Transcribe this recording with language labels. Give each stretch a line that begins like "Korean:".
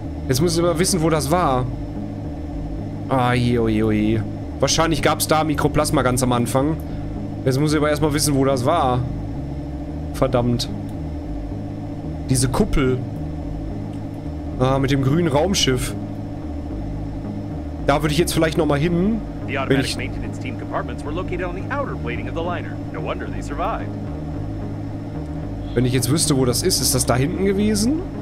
German: Jetzt muss ich aber wissen, wo das war. Ai, oi, oi. Wahrscheinlich gab es da Mikroplasma ganz am Anfang. Jetzt muss ich aber erstmal wissen, wo das war. Verdammt. Diese Kuppel. Ah, mit dem grünen Raumschiff. Da würde ich jetzt vielleicht nochmal hin.
English: The automatic maintenance team compartments were located on the outer plating of the liner. No wonder they survived.
German: Wenn ich jetzt wüsste, wo das ist, ist das da hinten gewesen?